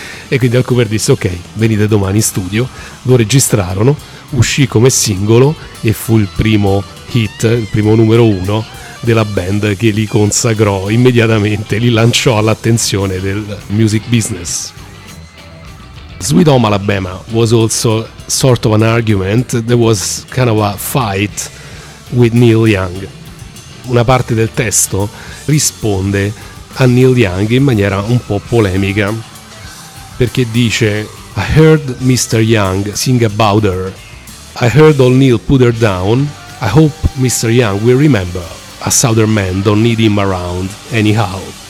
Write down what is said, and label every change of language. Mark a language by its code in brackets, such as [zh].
[it] E quindi Al Kooper disse: ok, venite domani in studio. Lo registrarono, uscì come singolo e fu il primo hit, il primo numero uno della band, che li consacrò immediatamente, li lanciò all'attenzione del music business. [en] Sweet Home Alabama was also sort of an argument, there was kind of a fight with Neil Young. [it] Una parte del testo risponde a Neil Young in maniera un po' polemica, perché dice: [en] I heard Mr. Young sing about her, I heard old Neil put her down, I hope Mr. Young will remember, a southern man don't need him around anyhow.